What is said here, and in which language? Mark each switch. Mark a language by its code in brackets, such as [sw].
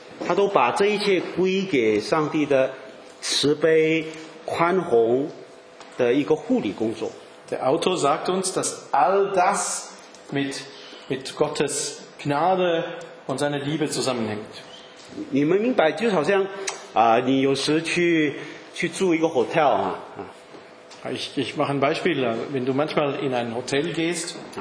[zh] 他都把这一切归给上帝的慈悲、宽宏的一个护理工作。 [de] Der Autor sagt uns, dass all das mit Gottes Gnade und seiner Liebe zusammenhängt. [zh] 你们明白，就好像啊、你有时去住一个 hotel 啊。 [de] Ich mache ein Beispiel, wenn du manchmal in ein Hotel gehst,